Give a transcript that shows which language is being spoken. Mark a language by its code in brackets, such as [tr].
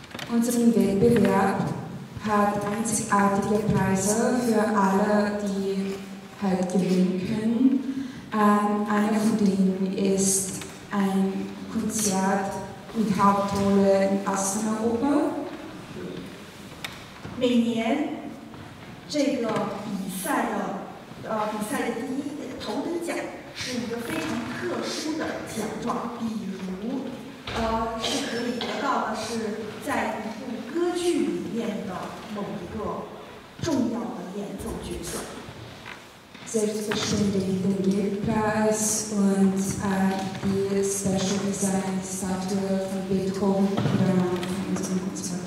[de] Unseren Wettbewerb hat einzigartige Preise für alle, die halt gewinnen können. Einer von denen ist ein Konzert mit Hauptrolle in Osteuropa. [zh] 每年这个比赛的头等奖是一个非常特殊的奖状，比如是可以得到的是在一部歌剧里面的某一个重要的演奏角色。 [de] Selbstverständlich den Geldpreis und die Special Design Statue von Beethoven.